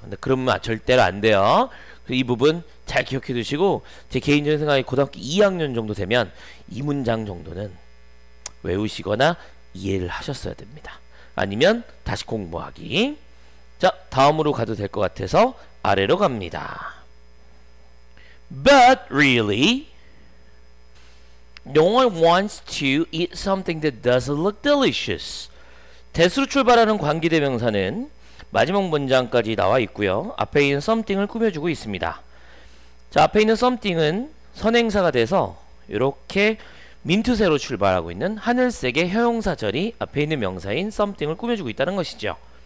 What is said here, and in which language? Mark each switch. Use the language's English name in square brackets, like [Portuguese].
[Korean] 근데 그러면 절대로 안 돼요. 이 부분 잘 기억해 두시고 제 개인적인 생각에 고등학교 2학년 정도 되면 이 문장 정도는 외우시거나 이해를 하셨어야 됩니다. 아니면 다시 공부하기. 자, 다음으로 가도 될 것 같아서 아래로 갑니다. [English] But really, no one wants to eat something that doesn't look delicious. [Korean] 대수로 출발하는 관계대명사는 마지막 문장까지 나와 있고요. 앞에 있는 something을 꾸며주고 있습니다. 자, 앞에 있는 something은 선행사가 돼서 이렇게 민트새로 출발하고 있는 하늘색의 형용사절이 앞에 있는 명사인 something을 꾸며주고 있다는 것이죠.